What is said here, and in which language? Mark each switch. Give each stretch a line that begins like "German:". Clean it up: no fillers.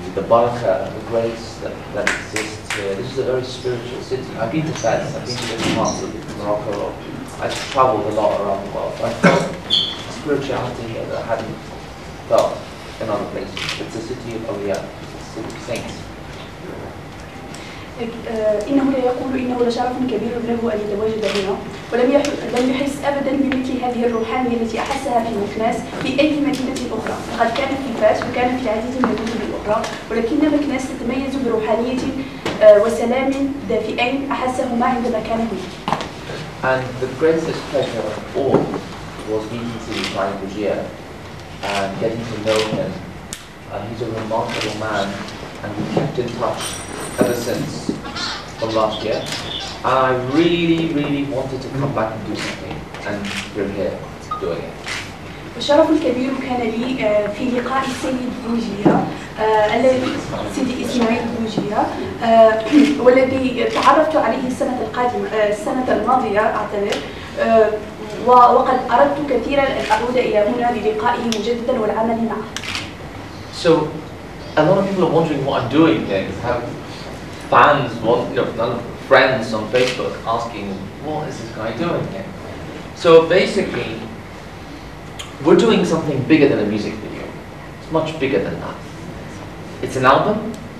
English: barakah, the grace that, that exists here. This is a very spiritual city. I've been to Fez, I've been to different parts of Morocco. I've traveled a lot around the world. I felt spirituality here that I hadn't felt in other places. It's a city of awliya, it's a city of saints.
Arabic: إنه لا يقول إنه لشرف كبير له أن يتواجد هنا، ولم يحس أبدا بمثل هذه الروحانية التي أحسها في مكناس في أي مدينة أخرى، فقد كان في فاس وكان في عديد من المدن الأخرى، ولكن مكناس تتميز بروحانية وسلام دافئين أحسهما عندما كان هنا.
English: And the greatest pleasure of all was meeting to Ibrahim Bajir and getting to know him. He's a remarkable man and we kept in touch. Ever since from last year, and I really, really wanted to come back and do something, and we're here doing it.
Arabic: الشرف الكبير كان لي في لقاء السيد بوجيه السيدي إسماعيل بوجيه والذي تعرفت عليه السنة الماضية أعتذر وقد أردت كثيرا أن أعود إلى هنا للقائه مجددا والعمل معه.
English: So a lot of people are wondering what I'm doing here. Fans, want, you know, friends on Facebook asking, what is this guy doing here? So basically, we're doing something bigger than a music video. It's much bigger than that. It's an album.